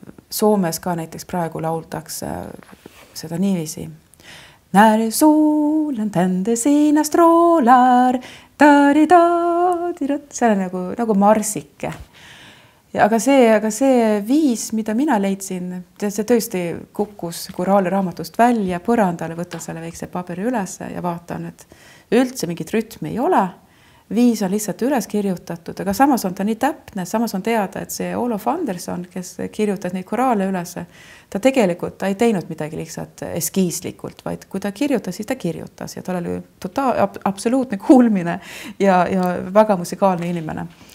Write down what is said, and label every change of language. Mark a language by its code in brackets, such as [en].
[et] Soomes ka näiteks praegu lauldakse seda niivisi. [sv] När solen tände sina strålar, taridadirat. [et] See on nagu marsike. Ja aga see viis, mida mina leidsin, see tõesti kukkus kuraale raamatust välja, põrandale võtan selle väikse paperi üles ja vaatan, et üldse mingit rütmi ei ole. Viis on lihtsalt üles kirjutatud, aga samas on ta nii täpne, samas on teada, et see Olof Anderson, kes kirjutas neid kuraale üles, ta tegelikult ta ei teinud midagi lihtsalt eskiislikult, vaid kui ta kirjutas, siis ta kirjutas ja tal oli absoluutne kuulmine ja väga musikaalne inimene.